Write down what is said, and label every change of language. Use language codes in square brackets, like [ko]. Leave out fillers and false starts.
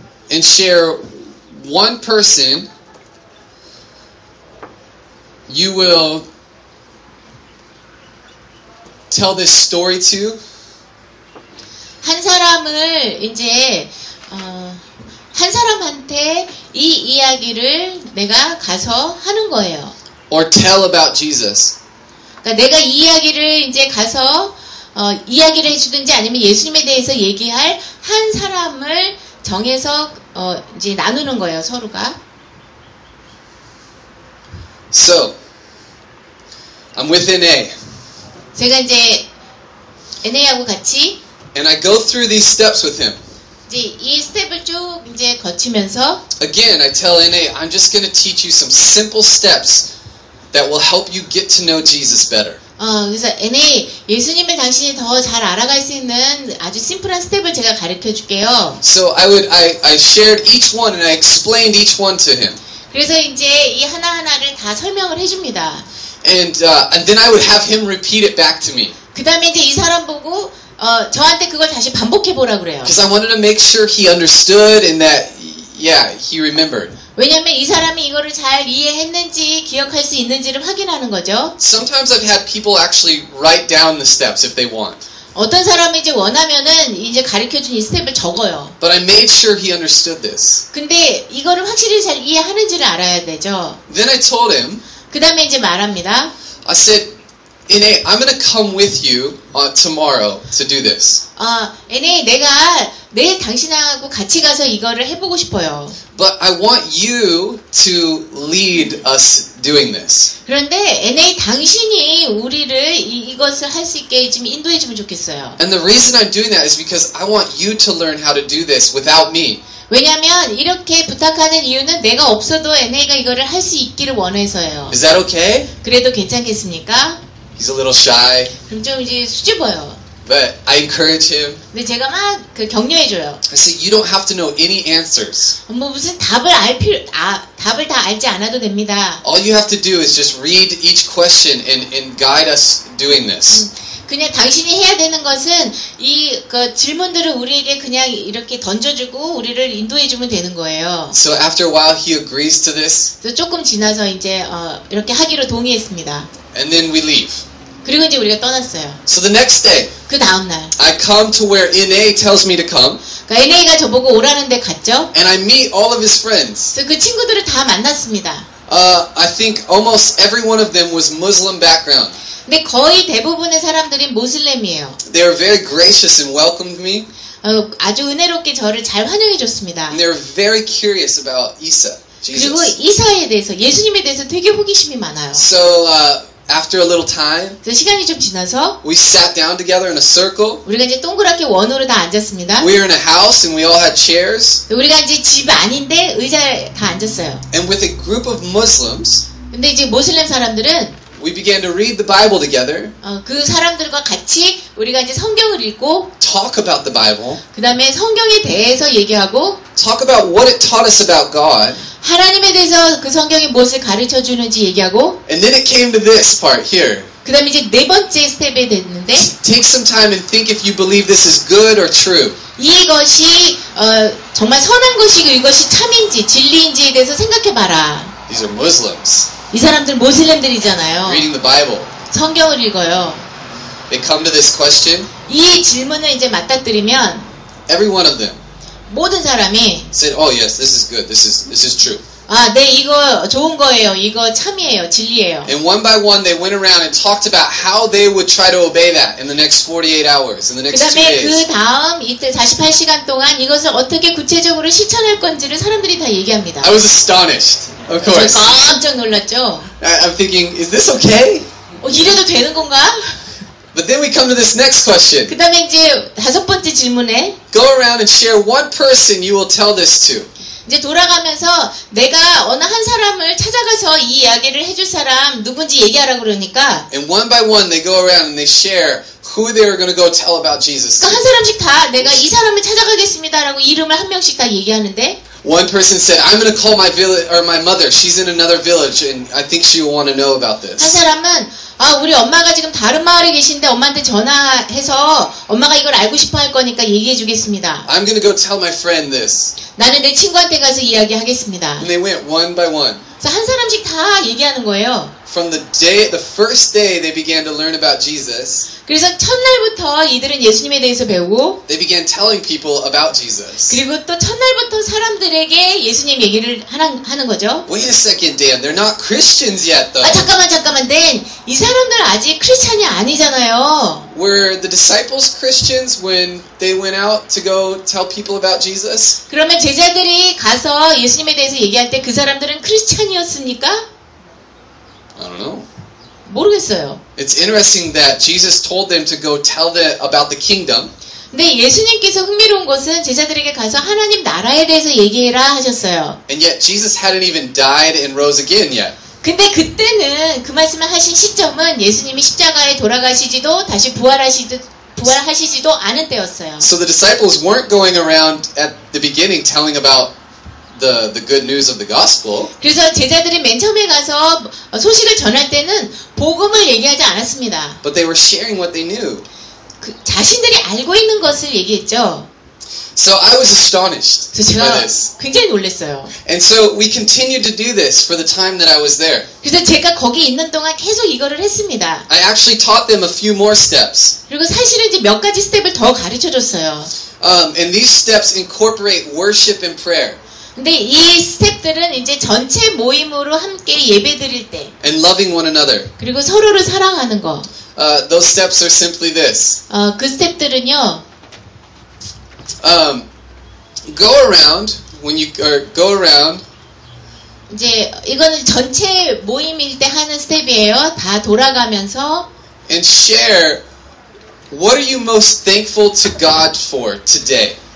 [en] and share one person you will tell this story to. [ko] 한 사람을 이제 한 사람한테 이 이야기를 내가 가서 하는 거예요. [en] Or tell about Jesus. [ko] 그러니까 내가 이 이야기를 이제 가서 이야기를 해주든지 아니면 예수님에 대해서 얘기할 한 사람을 정해서 이제 나누는 거예요, 서로가. [en] So I'm with NA. [ko] 제가 이제 NA하고 같이 [en] and I go through these steps with him. [ko] 이제 이 스텝을 쭉 이제 거치면서 [en] again, I tell NA, I'm just going to teach you some simple steps that will help you get to know Jesus better. [ko] 그래서 NA, 예수님을 당신이 더 잘 알아갈 수 있는 아주 심플한 스텝을 제가 가르쳐 줄게요. [en] So I shared each one and I explained each one to him. [ko] 그래서 이제 이 하나하나를 다 설명을 해 줍니다. [en] And then I would have him repeat it back to me. [ko] 그다음에 이제 이 사람 보고 저한테 그걸 다시 반복해 보라 그래요. [en] Because I wanted to make sure he understood and that, yeah, he remembered. [ko] 왜냐면 이 사람이 이거를 잘 이해했는지 기억할 수 있는지를 확인하는 거죠. [en] Sometimes I've had people actually write down the steps if they want. [ko] 어떤 사람이 이제 원하면은 이제 가르쳐준 이 스텝을 적어요. [en] But I made sure he understood this. [ko] 근데 이거를 확실히 잘 이해하는지를 알아야 되죠. [en] Then I told him. [ko] 그다음에 이제 말합니다. [en] I said, NA, I'm going to come with you tomorrow to do this. [ko] NA, 내가 내일 당신하고 같이 가서 이거를 해보고 싶어요. [en] But I want you to lead us doing this. [ko] 그런데 NA, 당신이 우리를 이것을 할 수 있게 좀 인도해 주면 좋겠어요. [en] And the reason I'm doing that is because I want you to learn how to do this without me. [ko] 왜냐면 이렇게 부탁하는 이유는 내가 없어도 NA가 이거를 할 수 있기를 원해서예요. [en] Is that okay? [ko] 그래도 괜찮겠습니까? [en] He's a little shy. [ko] 그럼 좀 이제 수줍어요. [en] But I encourage him. [ko] 근데 제가 막 그 격려해줘요. [en] I say you don't have to know any answers. [ko] 뭐 무슨 답을 다 알지 않아도 됩니다. [en] All you have to do is just read each question and guide us doing this. [ko] 그냥 당신이 해야 되는 것은 이 그 질문들을 우리에게 그냥 이렇게 던져주고 우리를 인도해주면 되는 거예요. [en] So after a while he agrees to this. [ko] 조금 지나서 이제 이렇게 하기로 동의했습니다. [en] And then we leave. [ko] 그리고 이제 우리가 떠났어요. [en] So the next day. [ko] 그 다음날. [en] I come to where NA tells me to come. [ko] 그러니까 NA가 저보고 오라는 데 갔죠. [en] And I meet all of his friends. [ko] 그 친구들을 다 만났습니다. [en] I think almost every one of them was Muslim background. [ko] 근데 거의 대부분의 사람들이 모슬렘이에요. [en] They were very gracious and welcomed me. [ko] 아주 은혜롭게 저를 잘 환영해 줬습니다. [en] And they were very curious about Isa, Jesus. [ko] 그리고 이사에 대해서, 예수님에 대해서 되게 호기심이 많아요. [en] So After a little time, [ko] 그 시간이 좀 지나서 [en] we sat down together in a circle. [ko] 우리가 이제 동그랗게 원으로 다 앉았습니다. [en] We were in a house and we all had chairs. [ko] 우리가 이제 집 아닌데 의자에 다 앉았어요. [en] And with a group of Muslims. [ko] 근데 이제 무슬림 사람들은 [en] we began to read the Bible together. [ko] 그 사람들과 같이 우리가 이제 성경을 읽고 [en] talk about the Bible. [ko] 그다음에 성경에 대해서 얘기하고 [en] talk about what it taught us about God. [ko] 하나님에 대해서 그 성경이 무엇을 가르쳐 주는지 얘기하고 [en] and then it came to this part here. [ko] 그다음에 이제 네 번째 스텝에 됐는데 [en] take some time and think if you believe this is good or true. [ko] 이것이 정말 선한 것이고 이것이 참인지 진리인지에 대해서 생각해 봐라. [en] These are Muslims. [ko] 이 사람들 무슬림들이잖아요. [en] Reading the Bible. [ko] 성경을 읽어요. [en] They come to this question. [ko] 이 질문을 이제 맞닥뜨리면 [en] every one of them. [ko] 모든 사람이 [en] said, "Oh yes, this is good. This is true." [ko] 아, 네, 이거 좋은 거예요. 이거 참이에요. 진리예요. [en] And one by one they went around and talked about how they would try to obey that in the next 48 hours, in the next 2 days. [ko] 그 다음 이틀 48시간 동안 이것을 어떻게 구체적으로 실천할 건지를 사람들이 다 얘기합니다. [en] I was astonished. Of course. [ko] 저 깜짝 놀랐죠. [en] I'm thinking, is this okay? [ko] 이래도 되는 건가? [en] But then we come to this next question. [ko] 그다음에 이제 다섯 번째 질문에 [en] go around and share one person you will tell this to. [ko] 이제 돌아가면서 내가 어느 한 사람을 찾아가서 이 이야기를 해줄 사람 누군지 얘기하라고 그러니까 [en] and one by one they go around and they share who they are going to go tell about Jesus. [ko] 한 사람씩 다 내가 이 사람을 찾아가겠습니다라고 이름을 한 명씩 다 얘기하는데 [en] one person said I'm going to call my village or my mother. She's in another village and I think she will want to know about this. [ko] 한 사람은 아, 우리 엄마가 지금 다른 마을에 계신데 엄마한테 전화해서 엄마가 이걸 알고 싶어 할 거니까 얘기해 주겠습니다. [en] I'm going to go tell my friend this. [ko] 나는 내 친구한테 가서 이야기하겠습니다. [en] And they went one by one. [ko] 그래서 한 사람씩 다 얘기하는 거예요. [en] From the first day they began to learn about Jesus. [ko] 그래서 첫날부터 이들은 예수님에 대해서 배우고 [en] they began telling people about Jesus. [ko] 그리고 또 첫날부터 사람들에게 예수님 얘기를 하는 거죠. [en] Wait a second, Dan. They're not Christians yet though. [ko] 아, 잠깐만, Dan. 이 사람들 아직 크리스찬이 아니잖아요. [en] Were the disciples Christians when they went out to go tell people about Jesus? [ko] 그러면 제자들이 가서 예수님에 대해서 얘기할 때 그 사람들은 크리스찬이었습니까? [en] I don't know. [ko] 모르겠어요. [en] It's interesting that Jesus told them to go tell them about the kingdom. [ko] 네, 예수님께서 흥미로운 것은 제자들에게 가서 하나님 나라에 대해서 얘기해라 하셨어요. [en] And yet Jesus hadn't even died and rose again yet. [ko] 근데 그때는 그 말씀을 하신 시점은 예수님이 십자가에 돌아가시지도 다시 부활하시지도 않은 때였어요. [en] So the disciples weren't going around at the beginning telling about the good news of the gospel. [ko] 그래서 제자들이 맨 처음에 가서 소식을 전할 때는 복음을 얘기하지 않았습니다. [en] But they were sharing what they knew. [ko] 그 자신들이 알고 있는 것을 얘기했죠. [en] So I was astonished by this. [ko] 제가 굉장히 놀랐어요. [en] And so we continued to do this for the time that I was there. [ko] 그래서 제가 거기 있는 동안 계속 이거를 했습니다. [en] I actually taught them a few more steps. [ko] 그리고 사실은 이제 몇 가지 스텝을 더 가르쳐 줬어요. [en] And these steps incorporate worship and prayer. [ko] 근데 이 스텝들은 이제 전체 모임으로 함께 예배 드릴 때 [en] and loving one another. [ko] 그리고 서로를 사랑하는 거. [en] Those steps are simply this. [ko] 그 스텝들은요. [en] Go around when you or go around. [ko] 이제 이거는 전체 모임일 때 하는 스텝이에요. 다 돌아가면서 [en] and share what are you most thankful to God for today?